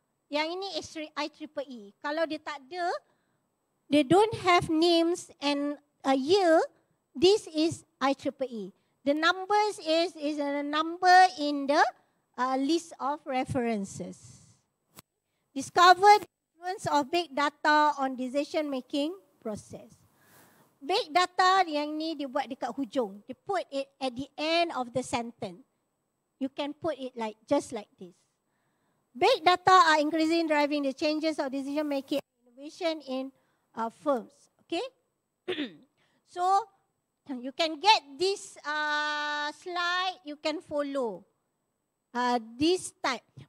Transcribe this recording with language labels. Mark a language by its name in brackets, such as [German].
[Malay] Yang ini [English] IEEE. [Malay] Kalau dia tak ada, [English] they don't have names and a year, this is IEEE. The numbers is a number in the list of references. Discover the influence of big data on decision making process. [Malay] Big data yang ni dibuat dekat hujung. [English] They put it at the end of the sentence. You can put it like just like this. Big data are increasingly driving the changes of decision making and innovation in firms. Okay? So you can get this slide, you can follow this type.